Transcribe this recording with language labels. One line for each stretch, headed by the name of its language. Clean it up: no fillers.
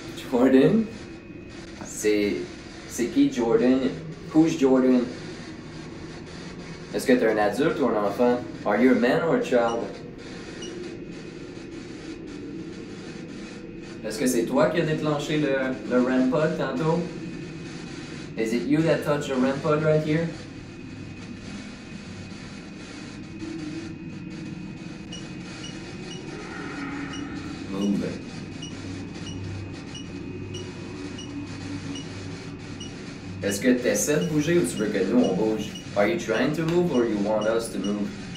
French: Jordan? C'est qui Jordan?
English: Who's Jordan?
French: Est-ce que t'es un adulte ou un enfant?
English: Are you a man or a child?
French: Est-ce que c'est toi qui a déclenché le rampod tantôt?
English: Is it you that touched the rampod right here? Move it.
French: Est-ce que t'essaies de bouger ou tu veux que nous on bouge?
English: Are you trying to move or you want us to move?